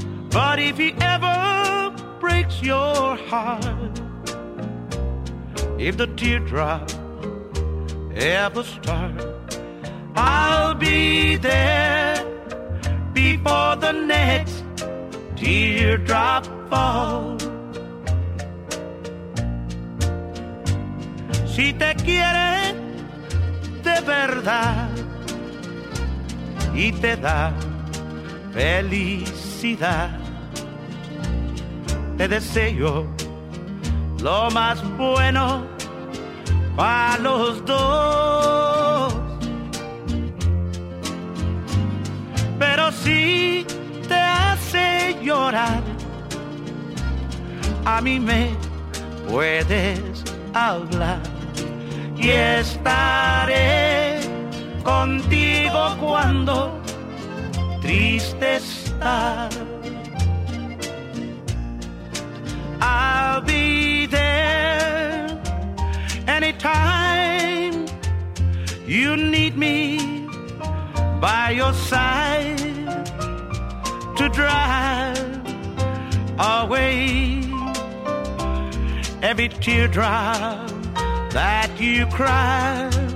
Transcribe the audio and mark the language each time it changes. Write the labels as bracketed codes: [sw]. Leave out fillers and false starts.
[en] But if he ever breaks your heart, if the teardrop ever starts, I'll be there before the next teardrop fall. [es] Si te quiere de verdad y te da felicidad, te deseo lo más bueno para los dos. Pero si te hace llorar, a mí me puedes hablar y estaré contigo cuando triste estás. [en] I'll be there anytime you need me by your side to drive away every teardrop that you cry.